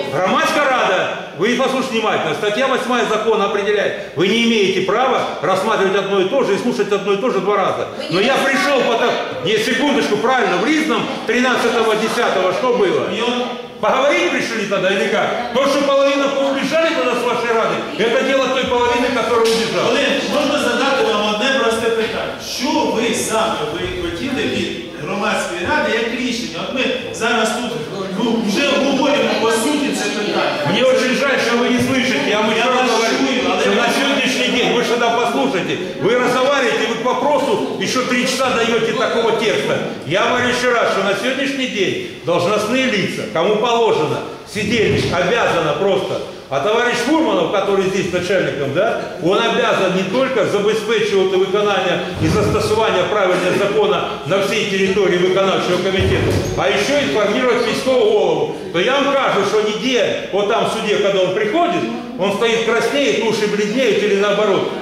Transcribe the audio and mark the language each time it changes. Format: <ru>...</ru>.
<ru>Громадская рада, вы послушайте внимательно, статья 8 закона определяет, вы не имеете права рассматривать одно и то же и слушать одно и то же два раза. Но я пришел потом, не секундочку, правильно, в Ризном 13-10, что было? Поговорить пришли тогда или как? То, что половина поубежали тогда с вашей рады, это дело той половины, которая убежала. Блин, можно задать вам одно простое питание. Что вы сами вы хотели</ru> <uk>від громадської ради як рішення? От ми зараз тут вже обговорюємо по суті це питання. Мені дуже жаль, що ви</uk> <ru>не слышите,</ru> <uk>а ми я вас чую, але на сьогоднішній день ви сюди послухайте. Ви розговорюєте, ви по просу і що 3 часа даєте такого текста. Я говорю ще раз, що на сьогоднішній день должностні лица, кому положено, сидіти, обязано просто.</uk> <ru>А товарищ Фурманов, который здесь начальником, да, он обязан не только обеспечивать выполнение и застосование правильного закона на всей территории выполнявшего комитета, а еще информировать местного голову. То я вам скажу, что нигде, вот там в суде, когда он приходит, он стоит краснеет, уши бледнеют или наоборот.</ru>